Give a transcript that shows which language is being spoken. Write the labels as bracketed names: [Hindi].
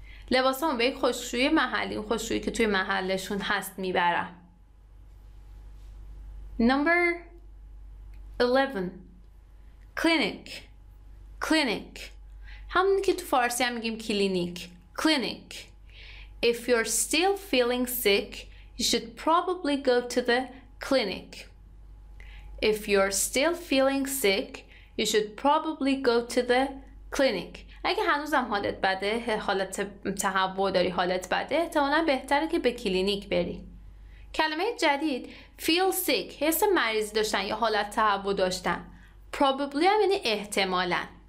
[Persian] لباسام به خوشروی محلی، خوشرویی که توی محلشون هست میبرم. [English] Number 11. Clinic. Clinic. [Persian] همونی که تو فارسی هم میگیم کلینیک. [English] Clinic. If you're still feeling sick, you should probably go to the clinic. If you're still feeling sick, you should probably go to the clinic. [Persian] اگه هنوزم حالت بده، حالت تهوع داری، حالت بده، احتمالا بهتره که به کلینیک بری. کلمه جدید feel sick، حس مریضی داشتن یا حالت تهوع داشتن. Probably هم یعنی احتمالا.